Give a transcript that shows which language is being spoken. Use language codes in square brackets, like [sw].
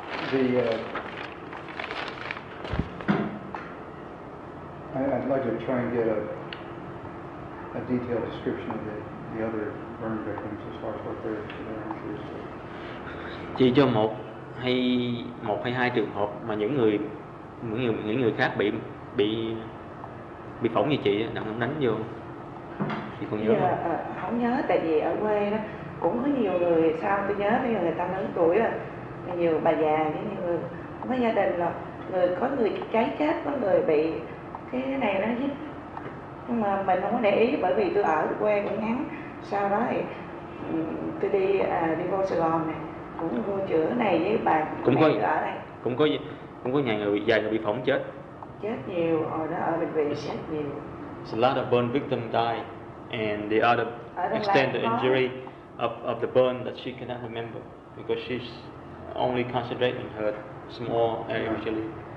[en] Thì I'd like to try and get a detailed description of the other burn victims as far as what their injuries are. [vi] Chỉ cho một hay hai trường hợp mà những người khác bị phỏng như chị đó, đặng đánh vô chị còn nhớ không nhớ, tại vì ở quê đó cũng có nhiều người, sao tôi nhớ bây giờ người ta lớn tuổi rồi, nhiều bà già với nhiều người có gia đình, là người có người cháy chết, có người bị cái này nó chứ, nhưng mà mình không có để ý bởi vì tôi ở quê cũng ngắn. Sau đó thì tôi đi vô Sài Gòn này, cũng vô chữa này với bà cũng mẹ có ở đây, cũng có nhà người dài người bị phỏng chết. Chết nhiều, ở bệnh viện chết nhiều. [en] It's a lot of burn victims die, and the other extent the injury of the burn that she cannot remember because she's only concentrating her small area usually.